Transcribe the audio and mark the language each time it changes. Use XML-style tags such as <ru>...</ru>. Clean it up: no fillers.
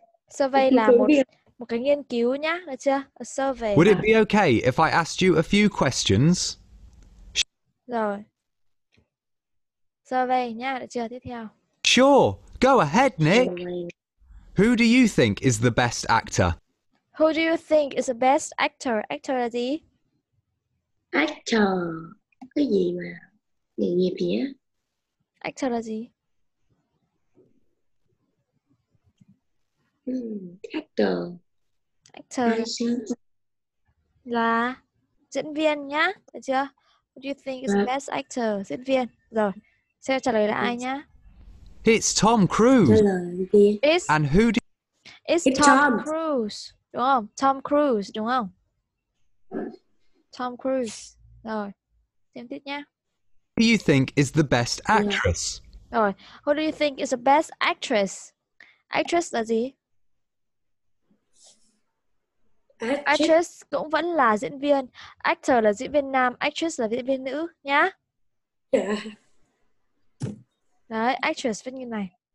<vi>Survey là một cái nghiên cứu nhá, được chưa?</vi> <en>A survey. Would it be okay if I asked you a few questions?</en> <vi>Rồi. Survey nhá, được chưa? Tiếp theo.</vi> <en>Sure, go ahead, Nick. Who do you think is the best actor? Who do you think is the best actor?</en> <vi>Actor là gì? Actor. Cái gì mà? Nghề nghiệp gì á? Actor là gì? Actor. Actor. Là diễn viên nhá. Được chưa?</vi> <en>Who do you think is the best actor?</en> <vi>Diễn viên. Rồi. Sẽ trả lời là ai nhá?</vi> <en>It's Tom Cruise. It's, and who do it's Tom Cruise.</en> <vi>Đúng không? Tom Cruise, đúng không? Tom Cruise. Rồi, tiếp tiếp nhá.</vi> <en>Who do you think is the best actress?</en> <vi>Rồi,</vi> <en>who do you think is the best actress?</en> <vi>Actress là gì? Actress cũng vẫn là diễn viên. Actor là diễn viên nam, actress là diễn viên nữ, nhá. Đấy, actress viết như này.</vi>